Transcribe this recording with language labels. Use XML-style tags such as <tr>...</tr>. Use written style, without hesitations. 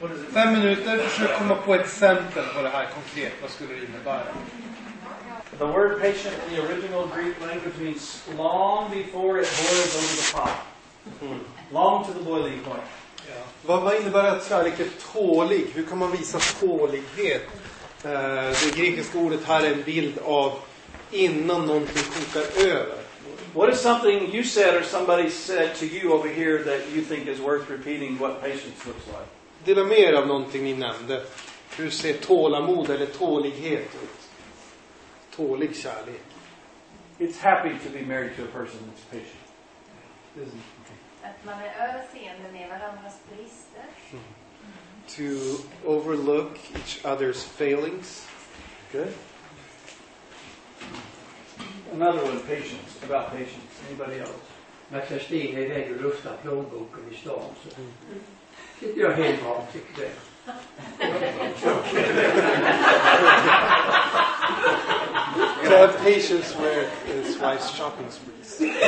<sv>5 minuter, försök komma på ett exempel på det här konkret. Vad skulle det innebära?</sv> <en>The word patient in the original Greek language means long before it boils over the pot. Long to the boiling point. Yeah.</en> <sv>Vad innebär att kärlek är tålig? Hur kan man visa tålighet? Det grekiska ordet här är en bild av innan någonting kokar över.</sv> <en>What is something you said or somebody said to you over here that you think is worth repeating what patience looks like?</en> <sv>Dela mer av någonting ni nämnde. Hur ser tålamod eller tålighet ut? Tålig kärlek.</sv> <en>It's happy to be married to a person that's patient. Isn't it?</en> <sv>Att man är överseende med varandras brister.</sv> <en>To overlook each other's failings. Good. Another one, patience, about patience. Anybody else?</en> <sv>Men Kerstin är iväg och luftar plånboken i stan. Så sitter jag helt bra och tycker det.</sv> <en>To have patience where his wife's shopping sprees.</en>